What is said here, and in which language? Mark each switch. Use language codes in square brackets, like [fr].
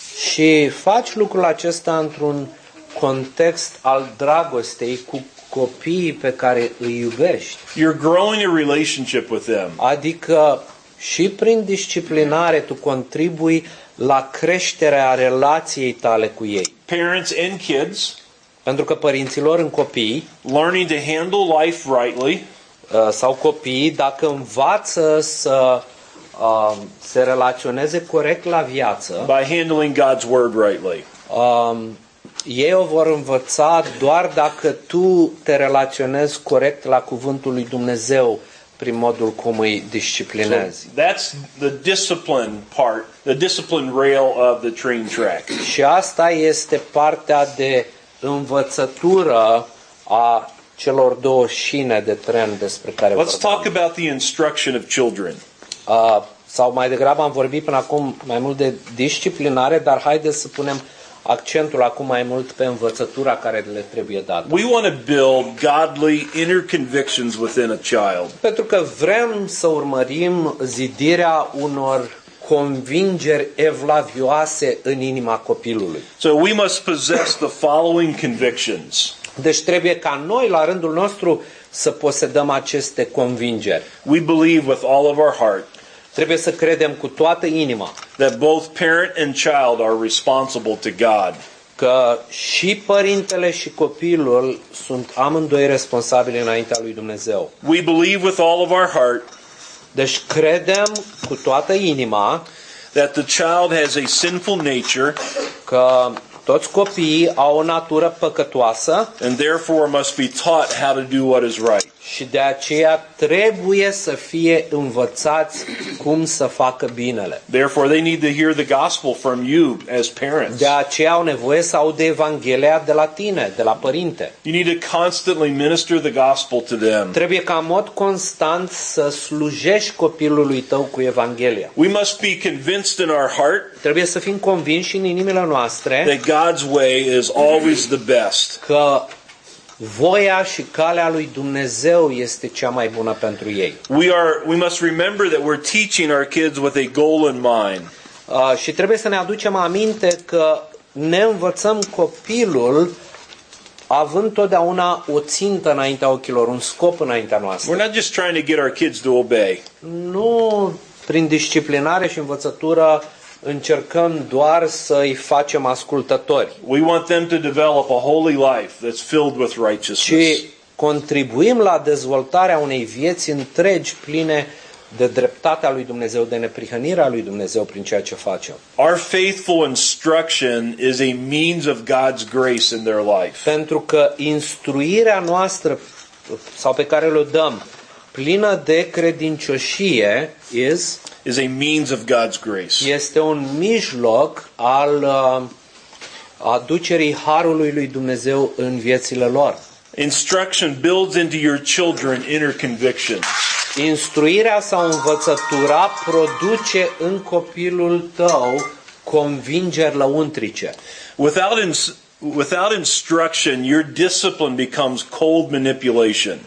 [ro] Și faci lucrul acesta într-un context al dragostei cu copiii pe care îi iubești. [en] You're growing a relationship with them. [ro] Adică și prin disciplinare tu contribui la creșterea relației tale cu ei. [en] Parents and kids, [ro] pentru că părinților în copii, [en] learning to handle life rightly, [ro] sau copiii dacă învață să se relaționeze corect la viață, [en] by handling God's word rightly. [ro] Ei o vor învăța doar dacă tu te relaționezi corect la cuvântul lui Dumnezeu prin modul cum îi disciplinezi. [en] So that's the discipline part, the discipline rail of the train track. [ro] Și asta este partea de învățătură a celor două șine de tren despre care vorbim. [en] Let's talk about the instruction of children. [ro] Sau mai degrabă am vorbit până acum mai mult de disciplinare, dar haideți să punem accentul acum mai mult pe învățătura care le trebuie dată. [en] We want to build godly inner convictions within a child. [ro] Pentru că vrem să urmărim zidirea unor convingeri evlavioase în inima copilului. [en] So we must possess the following convictions. [ro] Deci trebuie ca noi la rândul nostru să posedăm aceste convingeri. [en] We believe with all of our heart. [ro] Trebuie să credem cu toată inima. [en] That both parent and child are responsible to God. [ro] Că și părintele și copilul sunt amândoi responsabili înaintea lui Dumnezeu. [en] We believe with all of our heart. [ro] Deci credem cu toată inima. [en] That the child has a sinful nature. [ro] Că toți copiii au o natură păcătoasă. [en] And therefore must be taught how to do what is right. [ro] Și de aceea trebuie să fie învățați cum să facă binele. [en] Therefore they need to hear the gospel from you as parents. [ro] De aceea au nevoie să audă evanghelia de la tine, de la părinte. [en] You need to constantly minister the gospel to them. [ro] Trebuie ca în mod constant să slujești copilului tău cu evanghelia. [en] We must be convinced in our heart. [ro] Trebuie să fim convinși în inimile noastre. [en] That God's way is always the best. [ro] Că voia și calea lui Dumnezeu este cea mai bună pentru ei. [en] We must remember that we're teaching our kids with a goal in mind. [ro] Și trebuie să ne aducem aminte că ne învățăm copilul având totdeauna o țintă înaintea ochilor, un scop înaintea noastră. [en] We're not just trying to get our kids to obey. [ro] Nu prin disciplinare și învățătură încercăm doar să îi facem ascultători. [en] We want them to develop a holy life that's filled with righteousness. [ro] Și contribuim la dezvoltarea unei vieți întregi pline de dreptatea lui Dumnezeu, de neprihănirea lui Dumnezeu prin ceea ce facem. [en] Our faithful instruction is a means of God's grace in their life. [ro] Pentru că instruirea noastră sau pe care le dăm plină de credincioșie [en] is a means of God's grace. [ro] Este un mijloc al aducerii harului lui Dumnezeu în viețile lor. [en] Instruction builds into your children inner convictions. [ro] Instruirea sau învățătura produce în copilul tău convingeri lăuntrice. [en] Without instruction, your discipline becomes cold manipulation.